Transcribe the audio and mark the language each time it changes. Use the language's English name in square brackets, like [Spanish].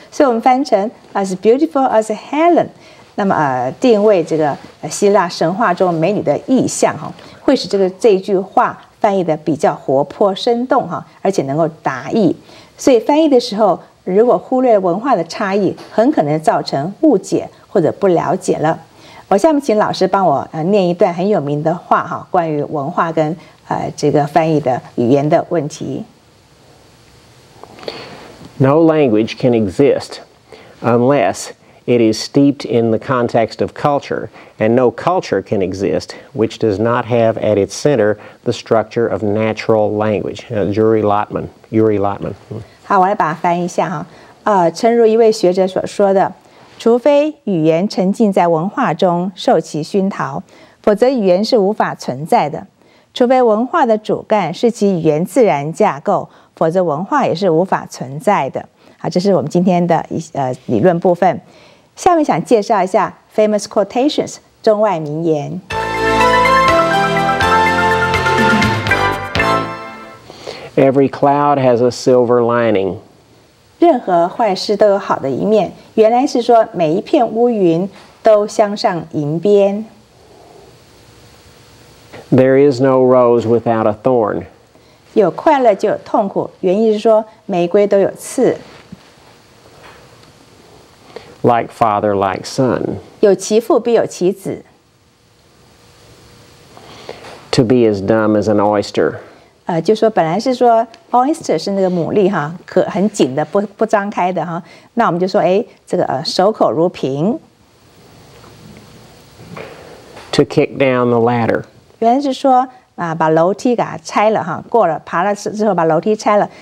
[Chinese] 所以我们翻成 [English] as beautiful as Helen， [Chinese] 那么定位这个希腊神话中美女的意象哈，会使这一句话翻译的比较活泼生动哈，而且能够达意。所以翻译的时候，如果忽略文化的差异，很可能造成误解或者不了解了。我下面请老师帮我念一段很有名的话哈，关于文化跟这个翻译的语言的问题。 [English] No language can exist unless it is steeped in the context of culture, and no culture can exist which does not have at its center the structure of natural language. Yuri Lotman. [Chinese] 好，我来把它翻译一下哈。诚如一位学者所说的，除非语言沉浸在文化中受其熏陶，否则语言是无法存在的。除非文化的主干是其语言自然架构，否则文化也是无法存在的。好，这是我们今天的理论部分。下面想介绍一下 [English] famous quotations [Chinese] 中外名言。 [English] Every cloud has a silver lining， [Chinese] 任何坏事都有好的一面，原来是说每一片乌云都镶上银边。 [English] There is no rose without a thorn. [Chinese] 有快乐就有痛苦，原意是说玫瑰都有刺。 [English] Like father, like son. [Chinese] 有其父必有其子。 [English] To be as dumb as an oyster. [Chinese] 就说本来是说 oyster 是那个牡蛎哈，可很紧的，不张开的哈。那我们就说，哎，这个守口如瓶。 [English] To kick down the ladder. [Chinese] 原来是说把楼梯给它拆了哈，过了爬了之后把楼梯拆了。